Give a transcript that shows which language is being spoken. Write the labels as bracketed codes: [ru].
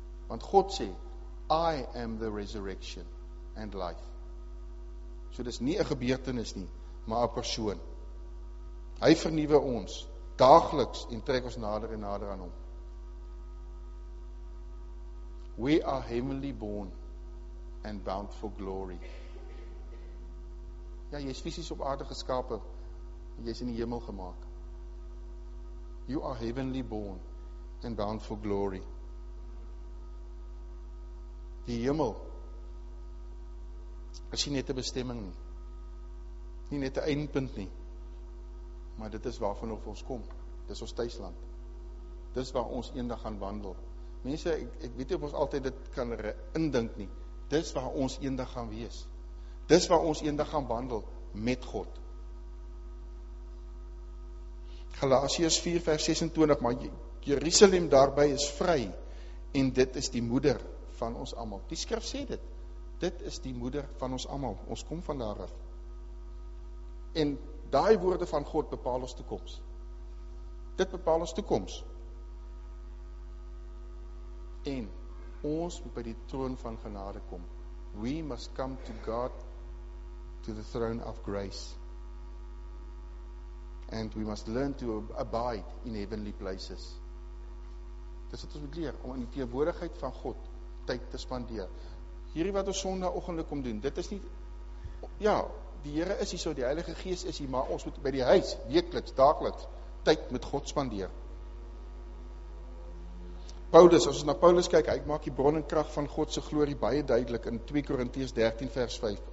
[af] Want God sê, [en] I am the resurrection and life. [af] So dis nie 'n gebeurtenis nie, maar 'n persoon. Hy vernuwe ons daagliks en trek ons nader en nader aan hom. [en] We are heavenly born and bound for glory. [af] Ja, jy is fisies op aarde geskape, jy's in die hemel gemaak. [en] You are heavenly born and bound for glory. [af] Die hemel is nie net 'n bestemming nie. Nie net 'n eindpunt nie. Maar dit is waarvan ons kom. Dis ons tuisland. Dis waar ons eendag gaan wandel. Mense, ek weet nie of ons altyd dit kan indink nie. Dis waar ons eendag gaan wees. Dis waar ons eendag gaan wandel met God. Galasiërs 4 vers 26, maar Jerusalem daarby is vry en dit is die moeder van ons allemaal. Die skrif sê dit. Dit is die moeder van ons allemaal. Ons kom van daar af. En daai woorde van God bepaal ons toekoms. Dit bepaal ons toekoms. En ons moet by die troon van genade kom. [en] We must come to God, to the throne of grace. And we must learn to abide in heavenly places. [af] Dis wat ons moet leer, om in die teenwoordigheid van God tyd te spandeer. Hierdie wat ons sonnaoggende kom doen, dit is nie, ja, die Here is hier so, die Heilige Gees is hier, maar ons moet by die huis, weekliks, daagliks, tyd met God spandeer. Paulus, as ons na Paulus kyk, hy maak die bron en krag van God se glorie baie duidelik in 2 Korintiërs 13 vers 5.